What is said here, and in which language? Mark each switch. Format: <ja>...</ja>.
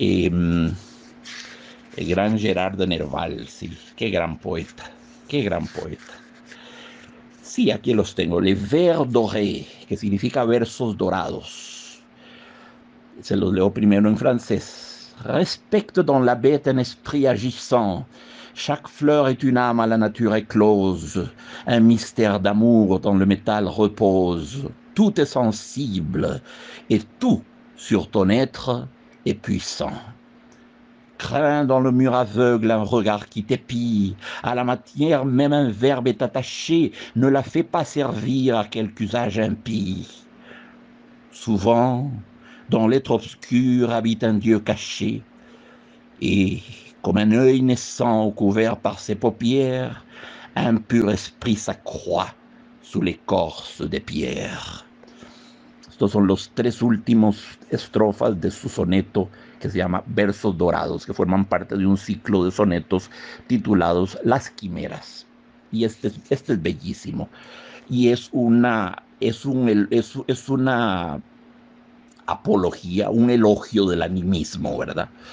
<es>El gran Gerard de Nerval, sí, qué gran poeta, qué gran poeta. Sí, aquí los tengo, Les Vers Dorés, que significa versos dorados. Se los leo primero en francés.</es> <fr>Respecte dans la bête un esprit agissant. Chaque fleur est une âme à la nature éclose. Un mystère d'amour dans le métal repose. Tout est sensible et tout sur ton être est puissant. Crains dans le mur aveugle un regard qui t'épie. À la matière, même un verbe est attaché. Ne la fais pas servir à quelque usage impie. Souvent, dans l'être obscur habite un dieu caché. Et, comme un œil naissant couvert par ses paupières, un pur esprit s'accroît sous l'écorce des pierres.</fr> <es>Estos son los tres últimos estrofas de su soneto que se llama Versos Dorados, que forman parte de un ciclo de sonetos titulados Las Quimeras. Y este es bellísimo. Y es una apología, un elogio del animismo, ¿verdad?</es>